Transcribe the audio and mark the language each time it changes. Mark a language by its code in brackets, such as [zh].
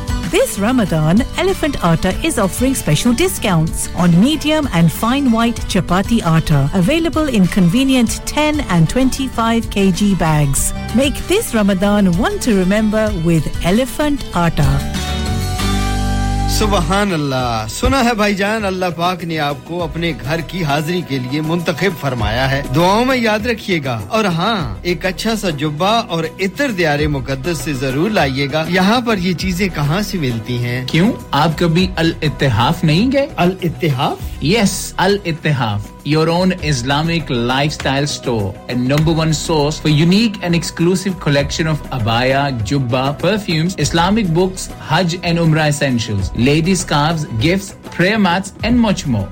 [en] This Ramadan, Elephant Atta is offering special discounts on medium and fine white chapati atta, available in convenient 10 and 25 kg bags. Make this Ramadan one to remember with Elephant Atta. [ur] سبحان اللہ سنا ہے بھائی جان اللہ پاک نے آپ کو اپنے گھر کی حاضری کے لیے منتخب فرمایا ہے دعاؤں میں یاد رکھیے گا اور ہاں ایک اچھا سا جبہ اور عطر دیار مقدس سے ضرور لائیے گا یہاں پر یہ چیزیں کہاں سے ملتی ہیں کیوں آپ کبھی الاتحاف نہیں گئے الاتحاف [en] Yes, Al-Ittihaf, your own Islamic lifestyle store and number one source for unique and exclusive collection of abaya, jubba, perfumes, Islamic books, Hajj and Umrah essentials, ladies' scarves, gifts, prayer mats and much more.